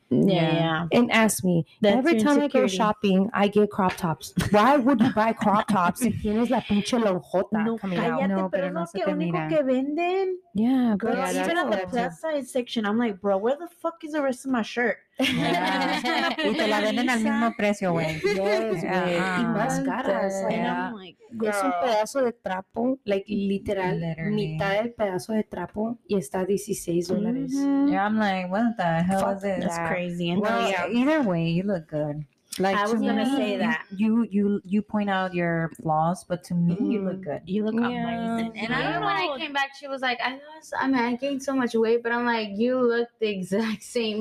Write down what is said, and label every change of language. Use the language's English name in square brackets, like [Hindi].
[English] And ask me that's every time insecurity. I go shopping, I get crop tops. Why would you buy crop tops if [Spanish] tienes la pinche lonjota [English] coming out? [Spanish] No, pero no se te mira. Que venden. [English] Yeah, girl, yeah, even at the plus size section, I'm like, bro, where the fuck is the rest of my shirt? [Spanish] Y te la venden al mismo precio, güey. Y más caras. Es un pedazo de trapo, [English] like literal, [Spanish] mitad del pedazo de trapo y está $16. [English] Yeah, I'm like, what the hell is this? That's crazy. Well, yeah, either way, you look good. Like, I was gonna say that you point out your flaws, but to me you look good. You look amazing. And I remember when I came back, she was like, I gained so much weight, but I'm like, you look the exact same.